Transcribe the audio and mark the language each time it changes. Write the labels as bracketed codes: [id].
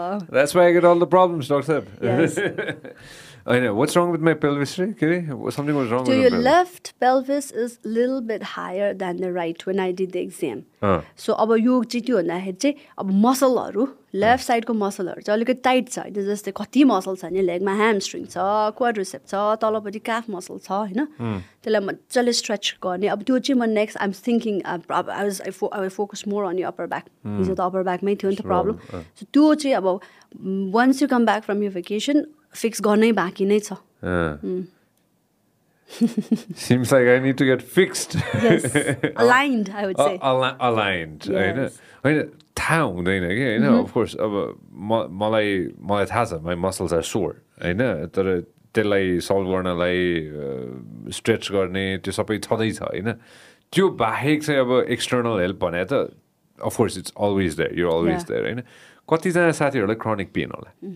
[en] That's why I get all the problems, Dr. Yes. होइन what's wrong with my pelvis [ne] रे के अरे [en] something was wrong with your left pelvis is little bit higher than the right when I did the exam [ne] so अब यो चाहिँ के भन्दाखेरि चाहिँ अब मसलहरू लेफ्ट साइडको मसलहरू चाहिँ अलिकति टाइट छ होइन जस्तै कति मसल छ नि लेगमा ह्यामस्ट्रिङ छ क्वाड्रिसेप्स छ तलपट्टि काफ मसल छ होइन त्यसलाई मजाले स्ट्रेच गर्ने अब त्यो चाहिँ म next [en] I am thinking focus more on [ne] यो अप्पर ब्याक हिजो त अप्पर ब्याकमै थियो नि त प्रब्लम सो त्यो चाहिँ अब [en] once you come back from you vacation [ne] fix गर्नै बाँकी नै छ [en] Seems like I need to get fixed. Yes. Aligned, I would say. Aligned. Yes. [ne] थाहा हुँदैन कि होइन अफकोर्स अब मलाई थाहा छ [en] my muscles are sore [ne] होइन तर त्यसलाई सल्भ गर्नलाई स्ट्रेच गर्ने त्यो सबै छँदैछ होइन त्यो बाहेक चाहिँ अब एक्सटर्नल हेल्प भने त of course [en] it's always there you always there [ne] होइन कतिजना साथीहरूलाई क्रोनिक पेन होला